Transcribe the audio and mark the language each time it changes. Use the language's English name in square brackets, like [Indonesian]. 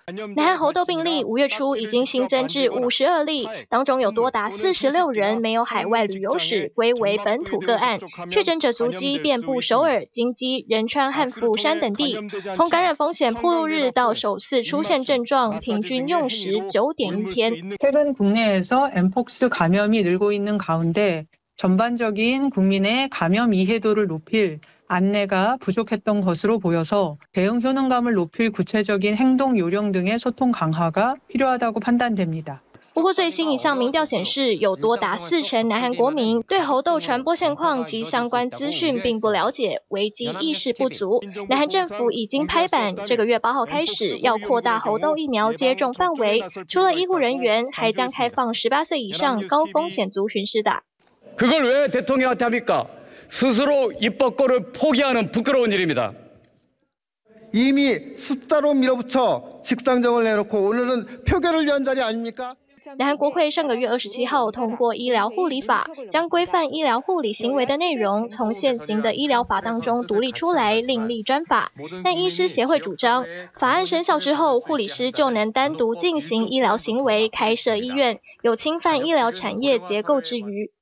[Chinese] 南韩猴痘病例5月初已经新增至52例，当中有多达46人没有海外旅游史，归为本土个案。确诊者足迹遍布首尔、京畿、仁川和釜山等地。从感染风险暴露日到首次出现症状，平均用时9.1天。 [Korean] 최근국내에서 Mpox 감염이 늘고 있는 가운데 전반적인 국민의 감염 이해도를 높일안내가부족했던것으로보여서대응효능감을 높일 구체적인 행동 요령 등의 소통 강화가 필요하다고 판단됩니다 [Chinese] 不过最新一项民调显示，有多达40%南韩国民对猴痘传播现况及相关资讯并不了解，危机意识不足。南韩政府已经拍板，这个月8号开始要扩大猴痘疫苗接种范围，除了医护人员，还将开放18岁以上高风险族群施打。 [Korean] 그걸왜대통령한테합니까스스로입법권을포기하는부끄러운일입니다 이미숫자로밀어붙여직상정을내놓고오늘은표결을연자리아닙니까 [Chinese] 南韩国会上个月27号通过医疗护理法，将规范医疗护理行为的内容从现行的医疗法当中独立出来，另立专法。但医师协会主张，法案生效之后，护理师就能单独进行医疗行为，开设医院，有侵犯医疗产业结构之余。